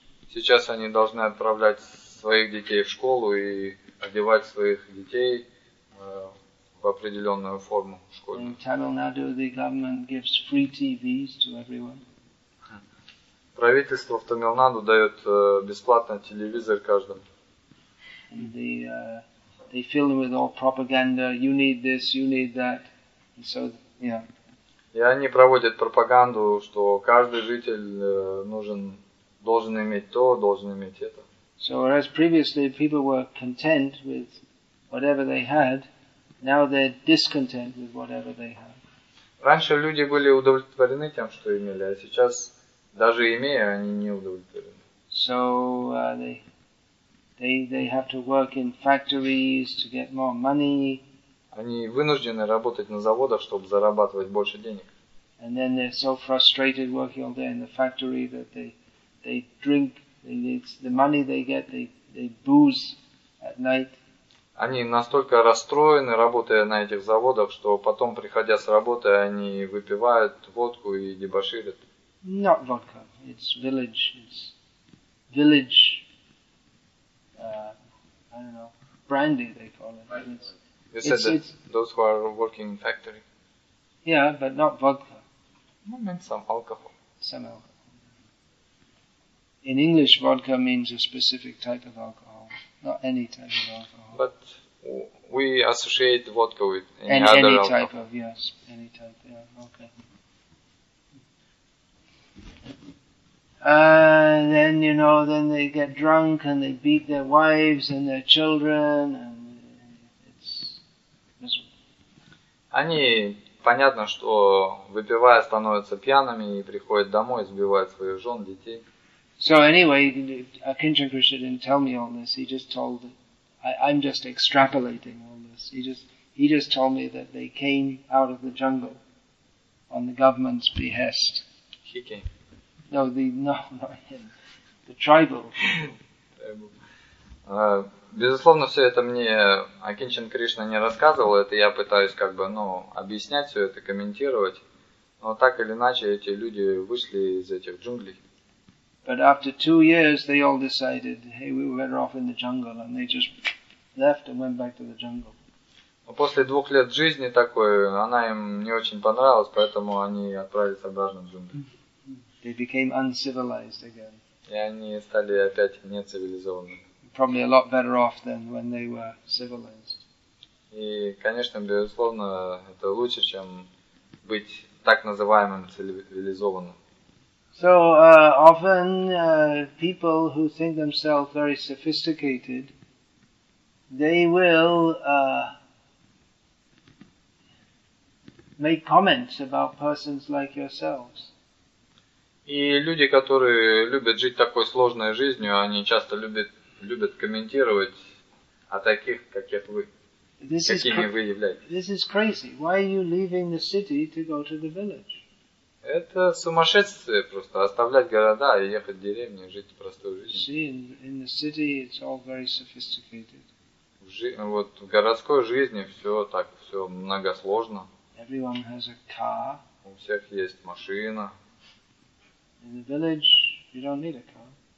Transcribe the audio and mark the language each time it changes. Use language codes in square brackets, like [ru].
[ru] сейчас они должны отправлять своих детей в школу и одевать своих детей в определенную форму в школе. [en] Tamil Nadu, the government gives free TVs to everyone. [ru] Правительство в Tamil Nadu дает бесплатно телевизор каждому. [en] The, they fill them with all propaganda, you need this, you need that. And so, yeah. [ru] И они проводят пропаганду, что каждый житель нужен, должен иметь то, должен иметь это. [en] So whereas previously people were content with whatever they had, now they're discontent with whatever they have. [ru] Раньше люди были удовлетворены тем, что имели, а сейчас, даже имея, они не удовлетворены. [en] So they have to work in factories to get more money. [ru] Они вынуждены работать на заводах, чтобы зарабатывать больше денег. [en] And then they're so frustrated working all day in the factory that they drink, the money they get, they booze at night. [ru] Они настолько расстроены, работая на этих заводах, что потом, приходя с работы, они выпивают водку и дебоширят. [en] Not vodka. It's village. It's village. I don't know. Brandy, they call it. You said that those who are working in factory. Yeah, but not vodka. I meant some alcohol. Some alcohol. In English, vodka means a specific type of alcohol. Not any type of alcohol. But we associate vodka with any other alcohol. Any type of, yes. Any type, yeah. Okay. Then, you know, then they get drunk and they beat their wives and their children. And it's miserable. [ru] Они, понятно, что выпивая, становятся пьяными и приходят домой, сбивают своих жен, детей. [en] So anyway, Akinchen Krishna didn't tell me all this. He just told that I'm just extrapolating all this. He just told me that they came out of the jungle on the government's behest. He came. No, not him. The tribal. [ru] Безусловно, все это мне Акинчен Кришна не рассказывал. Это я пытаюсь как бы, ну, объяснять все это, комментировать. Но так или иначе, эти люди вышли из этих джунглей. [en] But after 2 years, they all decided, hey, we were better off in the jungle, and they just left and went back to the jungle. [ru] После 2 лет жизни такой, она им не очень понравилась, поэтому они отправились обратно в джунгли. [en] They became uncivilized again. [ru] И они стали опять нецивилизованными. [en] Probably a lot better off than when they were civilized. [ru] И, конечно, безусловно, это лучше, чем быть так называемым цивилизованным. [en] So often people who think themselves very sophisticated, they will make comments about persons like yourselves. [ru] И люди, которые любят жить такой сложной жизнью, они часто любят комментировать о таких, как вы, какими вы являетесь. [en] This is crazy. Why are you leaving the city to go to the village? [ru] Это сумасшествие просто, оставлять города и ехать в деревню, жить простой жизнью. [en] See, in the city it's all very sophisticated. [ru] Вот в городской жизни все так, все многосложно. [en] Everyone has a car. [ru] У всех есть машина. [en] In the village you don't need a car.